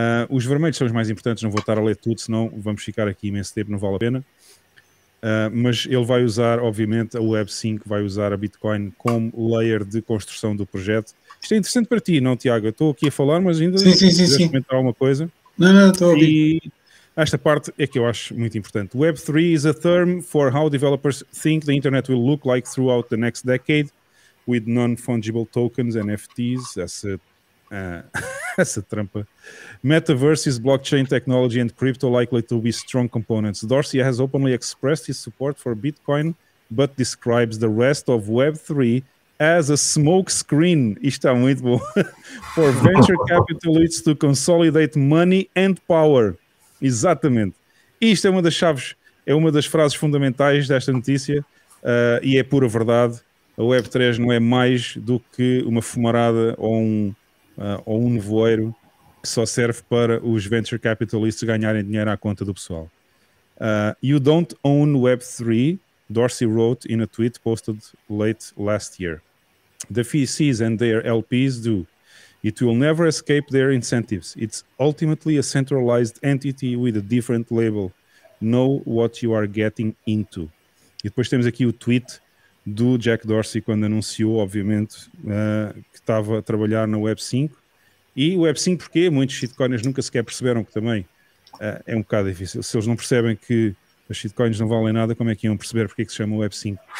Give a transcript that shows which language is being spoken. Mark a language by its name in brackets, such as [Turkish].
[Portuguese] Os vermelhos são os mais importantes, não vou estar a ler tudo, senão vamos ficar aqui imenso tempo, não vale a pena. Mas ele vai usar, obviamente, a Web5, vai usar a Bitcoin como layer de construção do projeto. Isto é interessante para ti, não, Tiago? Eu estou aqui a falar, mas ainda sim, se quiseres comentar alguma coisa. Não, estou a ouvir. Esta parte é que eu acho muito importante. [English] Web3 is a term for how developers think the internet will look like throughout the next decade with non-fungible tokens, NFTs, [Portuguese] essa trampa. [English] Metaverse is blockchain technology and crypto likely to be strong components. Dorsey has openly expressed his support for Bitcoin, but describes the rest of Web3 as a smokescreen, [Portuguese] isto é muito bom, [English] for venture capitalists to consolidate money and power. [Portuguese] Exatamente. Isto é uma das chaves, é uma das frases fundamentais desta notícia, e é pura verdade. A Web3 não é mais do que uma fumarada ou um nevoeiro que só serve para os venture capitalists ganharem dinheiro à conta do pessoal. [English] You don't own Web3, Dorsey wrote in a tweet posted late last year. The VCs and their LPs do. It will never escape their incentives. It's ultimately a centralized entity with a different label. Know what you are getting into. [Portuguese] E depois temos aqui o tweet do Jack Dorsey quando anunciou, obviamente, que estava a trabalhar na Web5. E Web5 porque muitos shitcoiners nunca sequer perceberam que também é um bocado difícil. Se eles não percebem que as shitcoins não valem nada, como é que iam perceber porque é que se chama Web5?